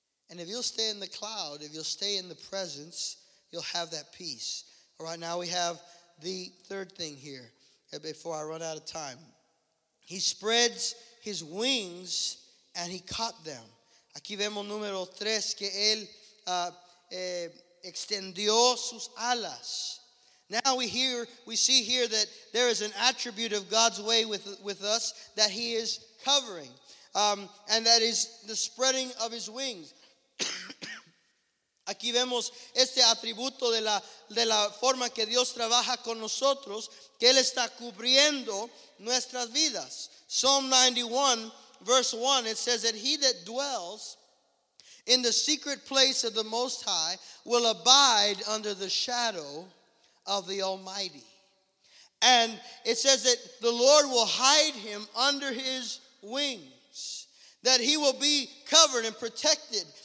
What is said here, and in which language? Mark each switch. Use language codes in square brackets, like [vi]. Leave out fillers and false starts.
[en] And if you'll stay in the cloud, if you'll stay in the presence, you'll have that peace." All right, now we have the third thing here before I run out of time. He spreads his wings, and he caught them. [es] Aquí vemos número tres, que él extendió sus alas. [en] Now we see here that there is an attribute of God's way with us, that he is covering, and that is the spreading of his wings. [es] Aquí vemos este atributo de la forma que Dios trabaja con nosotros, que él está cubriendo nuestras vidas. [en] Psalm 91, verse 1, it says that he that dwells in the secret place of the Most High will abide under the shadow of the Almighty. And it says that the Lord will hide him under his wings, that he will be covered and protected.